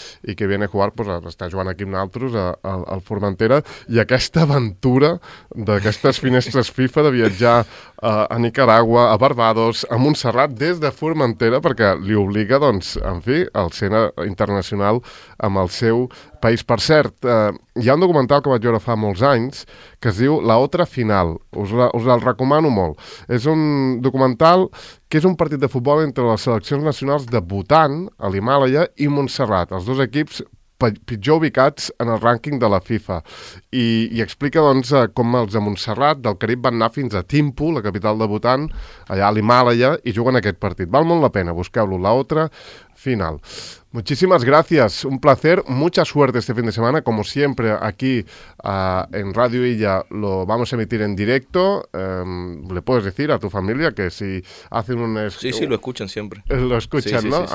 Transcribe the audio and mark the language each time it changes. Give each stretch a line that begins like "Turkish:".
Spanish: y que viene a jugar,
Catalan: pues hasta Joan Quim Naltros, al Formentera, i aquesta aventura d'aquestes finestres FIFA de viatjar a Nicaragua, a Barbados, a Montserrat, des de Formentera, perquè li obliga, doncs, en fi, el Sena Internacional amb amb el seu país. Per cert, hi ha un documental que vaig veure fa molts anys que es diu La Otra Final. Us el recomano molt. És un documental que és un partit de futbol entre les seleccions nacionals de Bhutan, a l'Himàlaia, i Montserrat, els dos equips pitjor ubicats en el rànquing de la FIFA. I explica doncs, com els de Montserrat, del Carib, van anar fins a Thimphu, la capital de Bhutan, allà a l'Himàlaia, i juguen aquest partit. Val molt la pena, busqueu-lo. La Otra Final.
Spanish: Muchísimas gracias, un placer, mucha suerte este fin de semana, como siempre aquí en Radio Illa lo vamos a emitir en directo, le puedes decir a tu familia que si hacen un... Sí, lo escuchan siempre. Lo escuchan, sí, ¿no? Sí.